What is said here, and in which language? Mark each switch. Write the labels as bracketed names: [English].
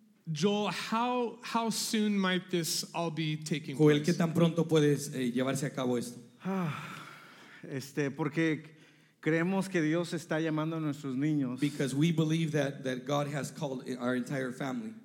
[English] Joel, how soon might this all be taking Joel, place? [Spanish] ¿Qué tan pronto puedes llevarse a cabo esto? Porque creemos que Dios está llamando a nuestros niños. [English] Because we believe that God has called our entire family.